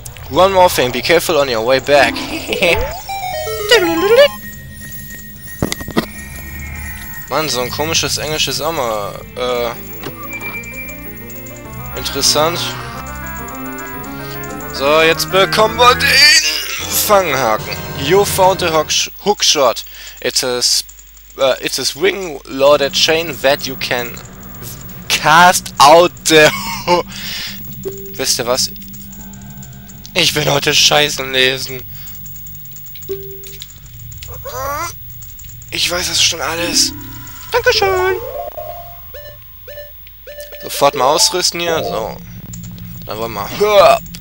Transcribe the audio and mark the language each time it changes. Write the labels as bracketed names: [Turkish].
[English] One more thing, be careful on your way back. [German] Mann, so ein komisches englisches Ammer. Interessant. So, jetzt bekommen wir den Fanghaken. [English] You found the hookshot. It's a swing loaded chain that you can cast out the. [German] Wisst ihr was? Ich will heute Scheißen lesen. Ich weiß das schon alles. Dankeschön. Sofort mal ausrüsten hier. So. Dann wollen wir mal.